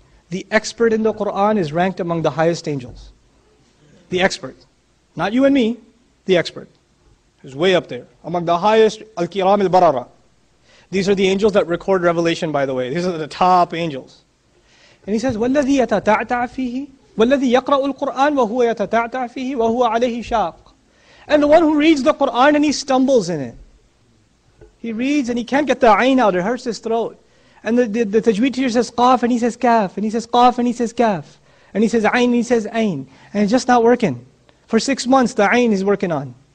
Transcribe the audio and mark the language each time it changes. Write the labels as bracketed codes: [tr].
[en] The expert in the Qur'an is ranked among the highest angels. The expert. Not you and me, the expert. He's way up there. Among the highest, al-kiram al-barara. These are the angels that record revelation, by the way. These are the top angels. And he says, [ar] وَالَّذِي يَتَتَعْتَعْ فِيهِ وَالَّذِي يَقْرَأُ الْقُرْآنَ وَهُوَ يَتَتَعْتَعْ فِيهِ وَهُوَ عَلَيْهِ شَاقٌ. [en] And the one who reads the Qur'an and he stumbles in it. He reads and he can't get the ayn out, it hurts his throat. And the tajweed teacher says, قَاف, and he says, كَاف, and he says, قَاف, and he says, كَاف. And he says, ayn, and he says, ayn. And it's just not working. For 6 months, the ayn is working on.